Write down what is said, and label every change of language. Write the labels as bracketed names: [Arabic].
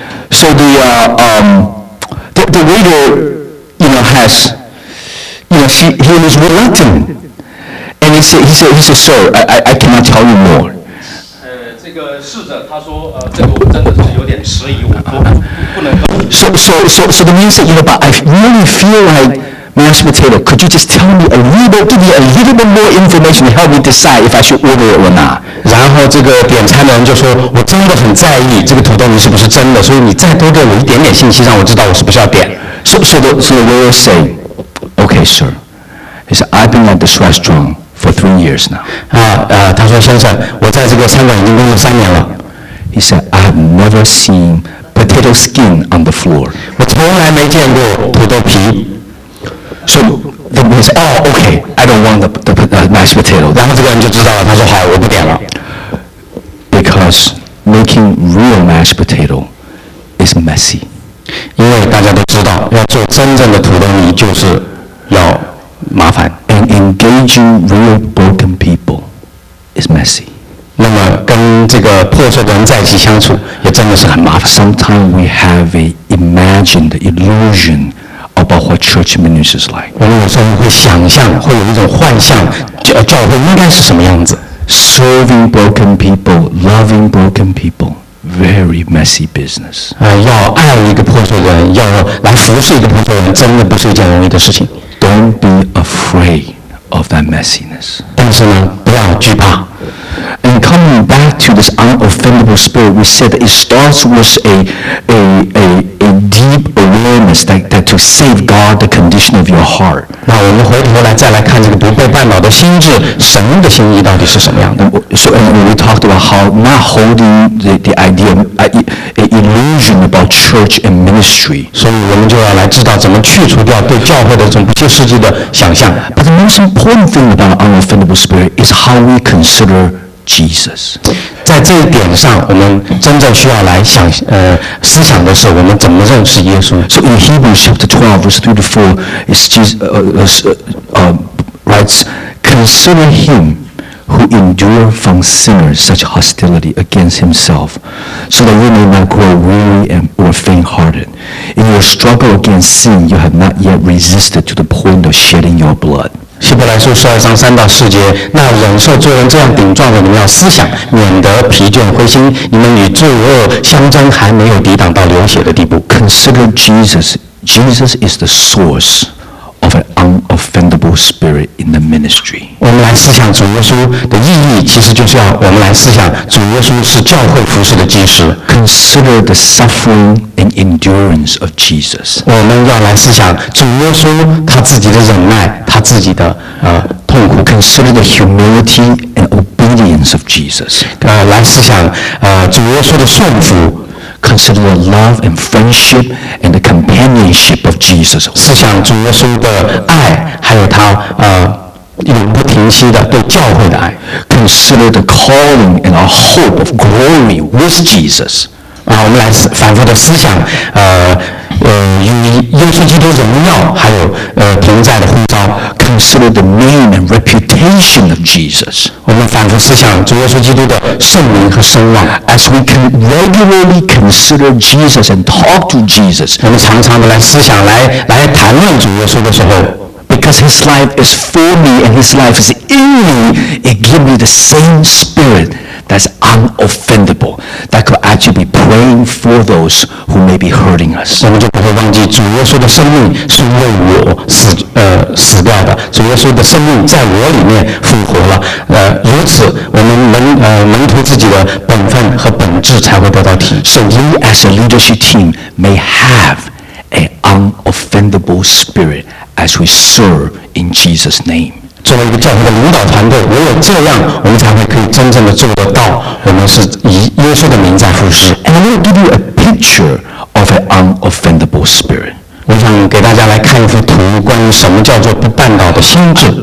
[English] So the waiter, you know, has, you know, he was reluctant, and he said, "Sir, I cannot tell you more." [Chinese] 这个侍者他说，这个我真的是有点迟疑， [English] So the man said, "You know, but I really feel like mashed potato. Could you just tell me a little, give me a little bit more information to help me decide if I should order it or not?" [Chinese] 然后这个点餐的人就说，我真的很在意这个土豆泥是不是真的，所以你再多给我一点点信息，让我知道我是不是要点。 [English] So the waiter said, "Okay, sir." He said, "I've been at this restaurant for 3 years now. [Chinese] 他说先生，我在这个餐馆已经工作三年了。 [English] He said, I have never seen potato skin on the floor. [Chinese] 我从来没见过土豆皮。 [English] So the man said, Oh, okay, I don't want the nice potato. [Chinese] 然后这个人就知道了，他说好，我不点了。 [English] Because making real mashed potato is messy. [Chinese] 因为大家都知道，要做真正的土豆泥就是要麻烦。 [English] And engaging real broken people is messy. [Chinese] 那么跟这个破碎的人在一起相处，也真的是很麻烦。 [English] Sometimes we have an imagined illusion about what church ministry is like. [Chinese] 我们有时候会想象，会有一种幻象，教会应该是什么样子。 [English] Serving broken people, loving broken people, very messy business. [Chinese] 要爱一个破碎人，要来服侍一个破碎人，真的不是一件容易的事情。 [English] Don't be afraid of that messiness. [Chinese] 但是呢，不要惧怕。 [English] And coming back to this unoffendable spirit, we said it starts with a deep awareness that to safeguard the condition of your heart. [Chinese] 那我们回头来再来看这个不被绊倒的心智，神的心意到底是什么样的？ [English] So and we talked about how not holding the idea an illusion about church and ministry. [Chinese] 所以我们就要来知道怎么去除掉对教会的这种不切实际的想象。 [English] But the most important thing about unoffendable spirit is how we consider. Jesus. [Chinese] 在这一点上，我们真正需要来想，思想的是我们怎么认识耶稣。 [English] So in Hebrews chapter 12, verse 3 to 4, it's Jesus, writes, Consider him who endured from sinners such hostility against himself, so that you may not grow weary or faint-hearted. In your struggle against sin, you have not yet resisted to the point of shedding your blood. [Chinese] 希伯来书十二章三到四节，那忍受罪人这样顶撞的，你们要思想，免得疲倦灰心。你们与罪恶相争，还没有抵挡到流血的地步。 [English] Consider Jesus. Jesus is the source of an unoffendable spirit in the ministry. [Chinese] 我们来思想主耶稣的意义，其实就是要我们来思想主耶稣是教会服事的基石。 [English] Consider the suffering and endurance of Jesus. [Chinese] 我们要来思想主耶稣他自己的忍耐。他自己的痛苦 [English] ，consider the humility and obedience of Jesus， [Chinese] 来思想主耶稣的顺服 [English] ，consider the love and friendship and the companionship of Jesus， [Chinese] 思想主耶稣的爱，还有他永不停息的对教会的爱 [English] ，consider the calling and our hope of glory with Jesus， [Chinese] 我们来反复的思想与耶稣基督荣耀还有同在的呼召 [English] ，consider the name and reputation of Jesus。 [Chinese] 我们反复思想主耶稣基督的圣名和声望 [English] ，as we can regularly consider Jesus and talk to Jesus。 [Chinese] 我们常常的来思想来谈论主耶稣的时候 [English] ，because his life is for me and his life is in me, it gives me the same spirit that's unoffendable. That could actually be praying for those who may be hurting us. [Chinese] 我们就不会忘记主耶稣的生命是为我死掉的。主耶稣的生命在我里面复活了。如此，我们能图自己的本分和本质才会得到提。 [English] So we as a leadership team may have an unoffendable spirit as we serve in Jesus' name. [Chinese] 作为一个教会的领导团队，唯有这样，我们才会可以真正的做得到。我们是以耶稣的名在服事。 [English] And I will give you a picture of an unoffendable spirit. [Chinese] 我想给大家来看一幅图，关于什么叫做不绊倒的心智。